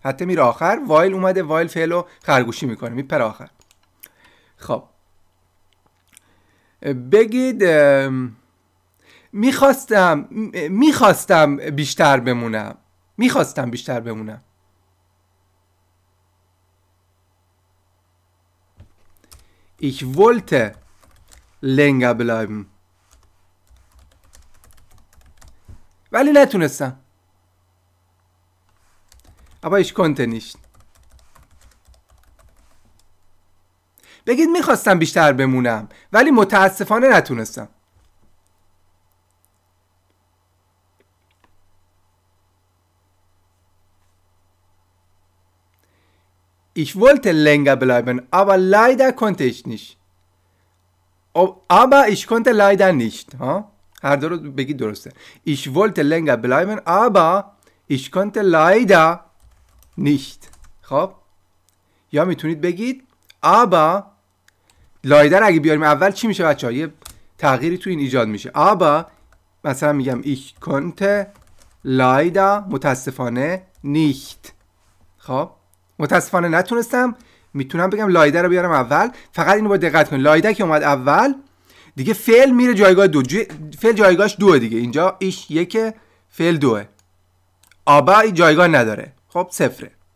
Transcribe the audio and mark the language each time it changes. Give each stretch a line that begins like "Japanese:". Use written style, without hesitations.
Persian: هته میره آخر، وایل اومده، وایل فعلو خرگوشی میکنه میپره آخر. خب بگید میخواستم بیشتر بمونم، میخواستم بیشتر بمونم.
German: Ich wollte länger bleiben.
Persian: ولی نتونستم.
German: Aber ich konnte nicht.
Persian: بگید میخواستم بیشتر بمونم ولی متاسفانه نتونستم.
German: Ich wollte länger bleiben, aber leider konnte ich nicht. Aber ich konnte leider nicht.
Persian: Ha? هر دو رو بگید درسته.
German: Ich wollte länger bleiben, aber ich konnte leider nicht.
Persian: خب؟ یا میتونید بگید
German: aber leider
Persian: اگه بیاریم اول چی میشه بچه‌ها؟ یه تغییری تو این ایجاد میشه.
German: Aber
Persian: مثلا میگم
German: ich konnte leider
Persian: متاسفانه
German: nicht.
Persian: خب؟ متاسفانه نتونستم، میتونم بگم لایده رو بیارم اول. فقط اینو با دقت کنید، لایده که اومد اول دیگه فعل میره جایگاه دو، فعل جایگاهش دوه دیگه. اینجا ایش یک، فعل دوه. آبا جایگاه نداره، خب صفره.